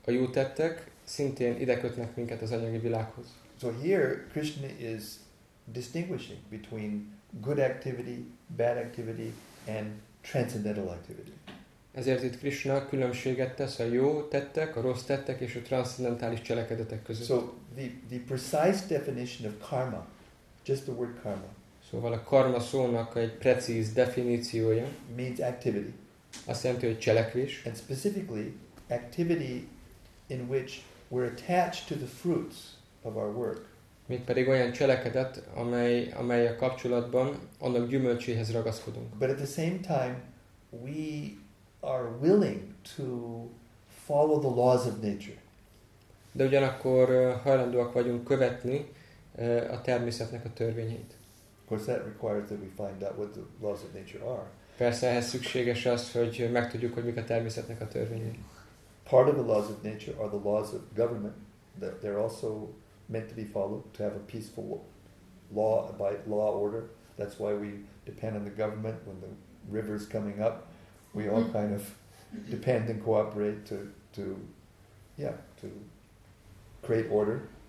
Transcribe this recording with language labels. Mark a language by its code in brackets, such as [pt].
[hu] A jó tettek szintén ide kötnek minket az anyagi világhoz. [en] So here Krishna is distinguishing between good activity, bad activity, and transcendental activity. [hu] Ezért itt Krishna különbséget tesz a jó tettek, a rossz tettek és a transzcendentális cselekedetek között. [en] So the precise definition of karma, just the word karma. [hu] Szóval a karma szónak egy precíz definíciója. [en] Means activity. [hu] Azt jelenti, hogy cselekvés. [en] And specifically, activity in which we're attached to the fruits of our work. [hu] Mint pedig olyan cselekedet, amely a kapcsolatban annak gyümölcséhez ragaszkodunk. [en] But at the same time, we are willing to follow the laws of nature. [hu] De ugyanakkor hajlandóak vagyunk követni a természetnek a törvényeit. [en] Of course, that requires that we find out what the laws of nature are. [hu] Persze ehhez szükséges az, hogy megtudjuk, hogy mik a természetnek a törvényei. [en] Part of the laws of nature are the laws of government, that they're also meant to be followed, to have a peaceful law, by law order. That's why we depend on the government when the river's coming up. We all kind of depend and cooperate to create order.